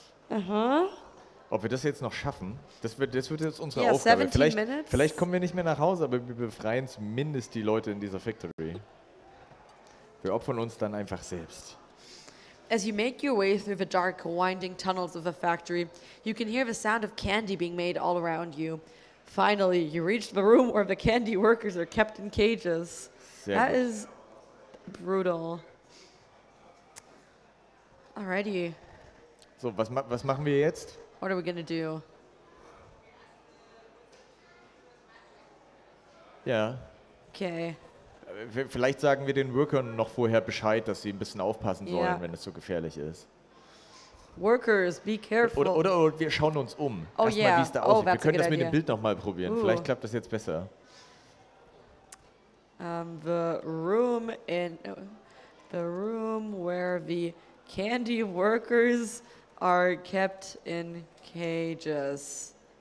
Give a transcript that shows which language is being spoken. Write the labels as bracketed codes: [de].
[de] Ob wir das jetzt noch schaffen, das wird jetzt unsere Aufgabe. Vielleicht kommen wir nicht mehr nach Hause, aber wir befreien zumindest die Leute in dieser Factory. Wir opfern uns dann einfach selbst. [en] As you make your way through the dark, winding tunnels of the factory, you can hear the sound of candy being made all around you. Finally, you reach the room where the candy workers are kept in cages. [de] Sehr [en] that [de] gut. [en] Is brutal. Alrighty. [de] So, was machen wir jetzt? [en] What are we gonna do? Yeah. Okay. [de] Vielleicht sagen wir den Workern noch vorher Bescheid, dass sie ein bisschen aufpassen sollen, wenn es so gefährlich ist. [en] Workers, be careful. [de] Oder wir schauen uns um. Oh, erstmal, wie es da aussieht. wir können das mit dem Bild nochmal probieren. Vielleicht klappt das jetzt besser. [en] The room where the candy workers are kept in cages.